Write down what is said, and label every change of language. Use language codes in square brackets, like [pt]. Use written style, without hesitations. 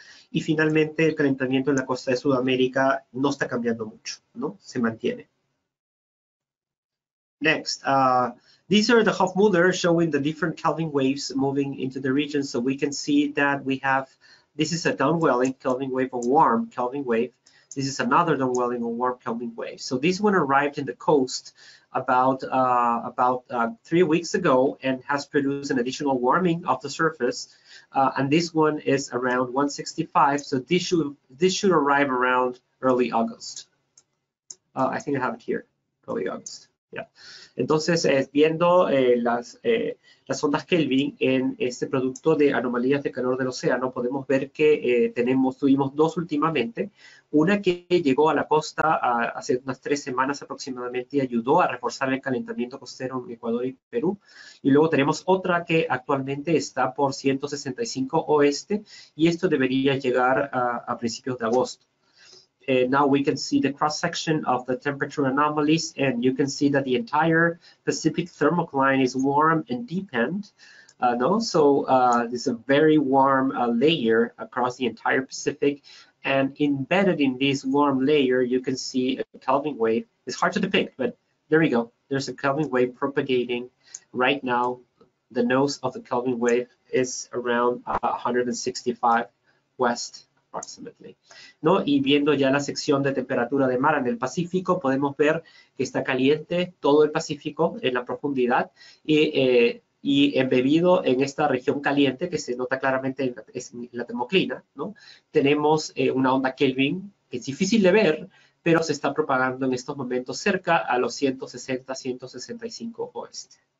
[es] Y finalmente, el calentamiento en la costa de Sudamérica no está cambiando mucho, ¿no? Se mantiene. [en] Next, these are the Hofmüller showing the different Kelvin waves moving into the region. So we can see that we have, this is a downwelling Kelvin wave, a warm Kelvin wave. This is another downwelling, a warm Kelvin wave. So this one arrived in the coast about 3 weeks ago and has produced an additional warming of the surface. And this one is around 165. So this should arrive around early August. I think I have it here, early August. Yeah. [es] Entonces, viendo las ondas Kelvin en este producto de anomalías de calor del océano, podemos ver que tuvimos dos últimamente. Una que llegó a la costa hace unas 3 semanas aproximadamente y ayudó a reforzar el calentamiento costero en Ecuador y Perú. Y luego tenemos otra que actualmente está por 165 oeste y esto debería llegar a principios de agosto. [en] Now we can see the cross-section of the temperature anomalies, and you can see that the entire Pacific thermocline is warm and deepened. This is a very warm layer across the entire Pacific, and embedded in this warm layer, you can see a Kelvin wave. It's hard to depict, but there we go. There's a Kelvin wave propagating right now. The nose of the Kelvin wave is around 165 west. Approximately, [es] ¿no? Y viendo ya la sección de temperatura de mar en el Pacífico, podemos ver que está caliente todo el Pacífico en la profundidad y embebido en esta región caliente que se nota claramente en la termoclina, ¿no? Tenemos una onda Kelvin que es difícil de ver, pero se está propagando en estos momentos cerca a los 160-165 oeste.